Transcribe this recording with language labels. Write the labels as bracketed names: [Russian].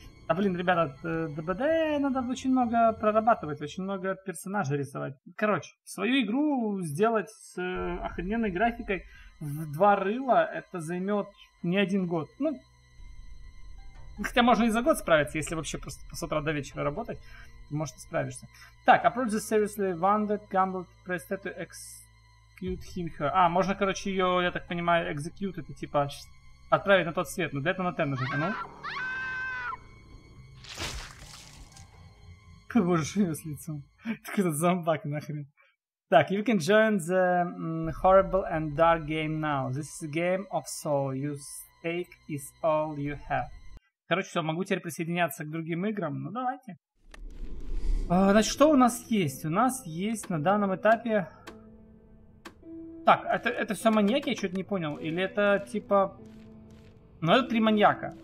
[Russian] А блин, ребята, ДБД надо очень много прорабатывать, очень много персонажей рисовать. Короче, свою игру сделать с охрененной графикой в два рыла, это займет не один год. Ну, хотя можно и за год справиться, если вообще просто с утра до вечера работать, ты, может, и справишься. [English] Так, approach the seriously wounded gambled prostitute execute him her. [Russian] А, можно, короче, ее, я так понимаю, execute, это типа отправить на тот свет, но для этого на тен нажать, ну. Боже, у него с лицом. Такой этот зомбак нахрен. [English] Так, you can join the horrible and dark game now. This is a game of soul. Your stake is all you have. [Russian] Короче, все, могу теперь присоединяться к другим играм. Ну, давайте. Значит, что у нас есть? У нас есть на данном этапе... Так, это все маньяки? Я что-то не понял. Или это типа... Ну, это три маньяка.